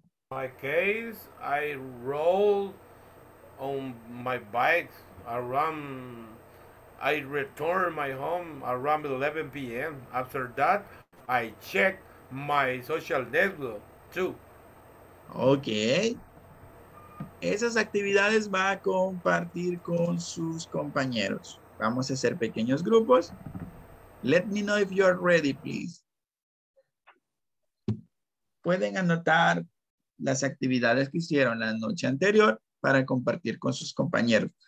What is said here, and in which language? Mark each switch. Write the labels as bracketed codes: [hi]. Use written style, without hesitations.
[en] My case, I rolled on my bike around, I returned my home around 11 p.m. After that, I checked my social network too. Okay. [es] Esas actividades va a compartir con sus compañeros. Vamos a hacer pequeños grupos. [en] Let me know if you are ready, please. [es] Pueden anotar las actividades que hicieron la noche anterior para compartir con sus compañeros.